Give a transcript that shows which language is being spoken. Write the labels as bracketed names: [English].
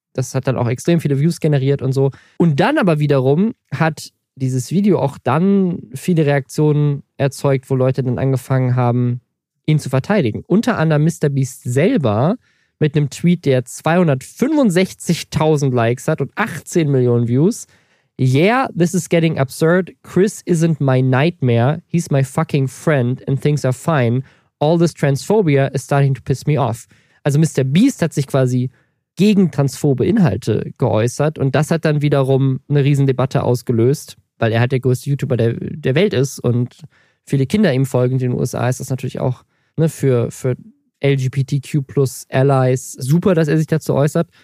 [German] Das hat dann auch extrem viele Views generiert und so. Und dann aber wiederum hat dieses Video auch dann viele Reaktionen erzeugt, wo Leute dann angefangen haben, ihn zu verteidigen. Unter anderem Mr. Beast selber mit einem Tweet, der 265.000 Likes hat und 18 Millionen Views. [English] Yeah, this is getting absurd. Chris isn't my nightmare. He's my fucking friend and things are fine. All this transphobia is starting to piss me off. [German] Also Mr. Beast hat sich quasi gegen transphobe Inhalte geäußert und das hat dann wiederum eine Riesendebatte ausgelöst, weil er halt der größte YouTuber der Welt ist und viele Kinder ihm folgen. In den USA ist das natürlich auch, ne, für LGBTQ+-Allies super, dass er sich dazu äußert.